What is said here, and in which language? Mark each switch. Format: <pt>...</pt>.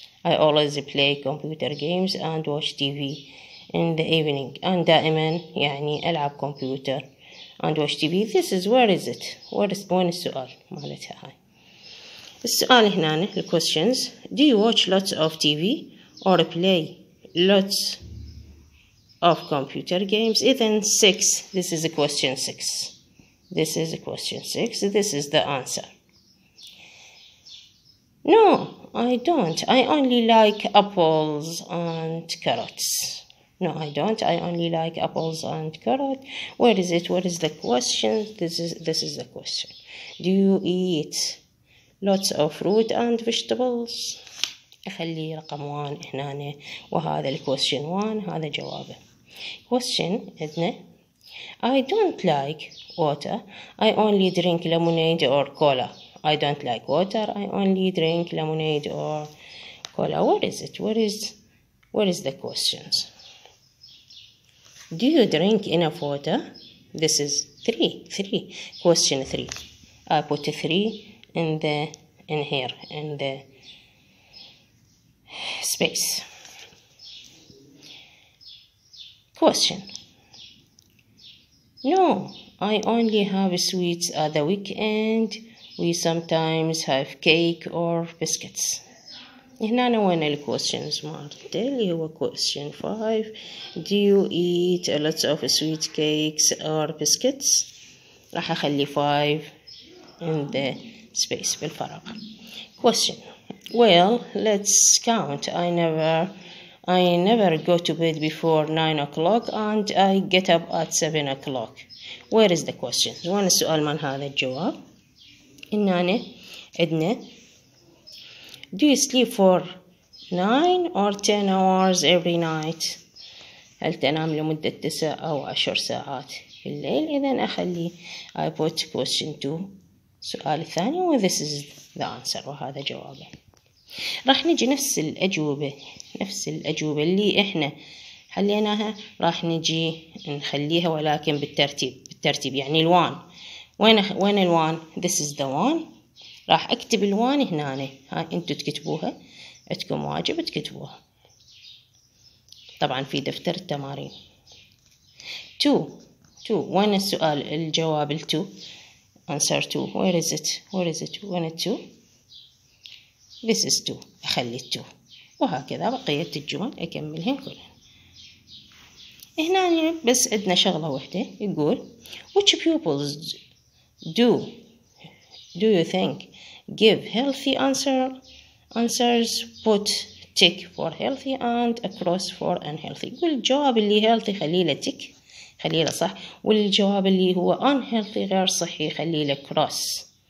<en>I always play computer games and watch TV in the evening.</en> <ar>And دائما يعني ألعب كمبيوتر</ar> <en>and watch TV. This is where is it?</en> <ar>وين السؤال مالتها هاي؟ السؤال هنا ال questions.</ar> <en>Do you watch lots of TV or play lots of computer games? إذن 6. This is a question 6. This is a question 6. This is the answer. No. I don't. I only like apples and carrots. No, I don't. I only like apples and carrots. Where is it? What is the question? This is the question. Do you eat lots of fruit and vegetables?</en> <ar>أخلي رقم 1 هنا وهذا الكويستشن 1 هذا جوابه.</ar> <en>Question إذن I don't like water. I only drink lemonade or cola. I don't like water. I only drink lemonade or cola. What is it? What is the questions? Do you drink enough water? This is 3. Question 3. I put 3 in the space. Question. No, I only have sweets at the weekend. We sometimes have cake or biscuits.</en> <ar>هنا وين الكويستشنز مالته اللي هو question 5.</ar> <en>Do you eat a lot of sweet cakes or biscuits?</en> <ar>راح اخلي</ar> <en>5 in the space</en> <ar>بالفراغ.</ar> <en>Question. Well, let's count. I never go to bed before 9 o'clock and I get up at 7 o'clock. Where is the question?</en> <ar>وين السؤال مال هذا الجواب؟ إن أنا عندنا</ar> <en>Do you sleep for 9 or 10 hours every night?</en> <ar>هل تنام لمدة 9 أو 10 ساعات في الليل؟ إذن أخلي</ar> <en>I put question 2</en> <ar>سؤال الثاني و</ar> <en>this is the answer</en> <ar>وهذا جوابه. راح نجي نفس الأجوبة اللي إحنا حليناها راح نجي نخليها ولكن بالترتيب يعني الوان وين الوان؟</ar> <en>This is the one.</en> <ar>راح أكتب الوان هنا، ها أنتوا تكتبوها، عندكم واجب تكتبوها طبعا في دفتر التمارين. 2 وين السؤال الجواب ال 2؟</ar> <en>answer 2 where is it</en> <ar>وين ال 2؟</ar> <en>this is 2</en> <ar>أخلي ال 2 وهكذا بقية الجمل أكملهم كلهم. هنا يعني بس عندنا شغلة واحدة يقول which pupils do you think give healthy answers put tick for healthy and across for unhealthy. قول الجواب اللي healthy خليله tick خليله صح، والجواب اللي هو unhealthy غير صحي خليله cross.</ar>